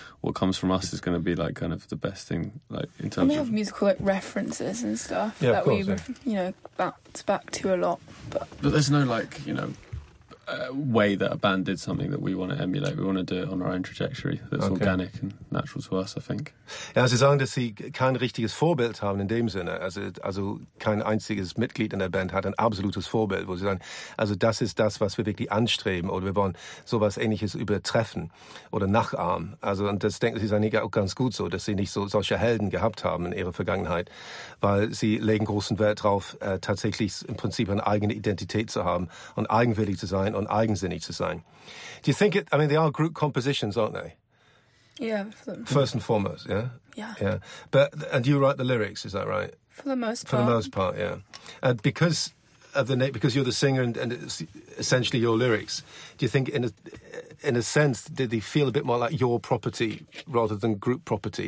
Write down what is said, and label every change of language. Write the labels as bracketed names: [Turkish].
[English] What comes from us is going to be like kind of the best thing, like in terms of. We have musical like references and stuff you know, bounce back to a lot. But there's no like, you know, way that a band did something that we want to emulate. We want to do it on our own trajectory that's organic and natural to us, I think. [German] Ja, Sie sagen, dass Sie kein richtiges Vorbild haben in dem Sinne. Also kein einziges Mitglied in der Band hat ein absolutes Vorbild, wo Sie sagen, also das ist das, was wir wirklich anstreben oder wir wollen sowas Ähnliches übertreffen oder nachahmen. Also, und das denken Sie, sei nicht auch ganz gut so, dass Sie nicht so solche Helden gehabt haben in Ihrer Vergangenheit, weil Sie legen großen Wert drauf, tatsächlich im Prinzip eine eigene Identität zu haben und eigenwillig zu sein und eigensinnig zu sein. [English] Do you think it, I mean, they are group compositions, aren't they? Yeah. First and foremost, yeah? Yeah. Yeah. But, and you write the lyrics, is that right? For the most part. For the most part, yeah. Because of the name, because you're the singer and it's essentially your lyrics, do you think in a sense, did they feel a bit more like your property rather than group property?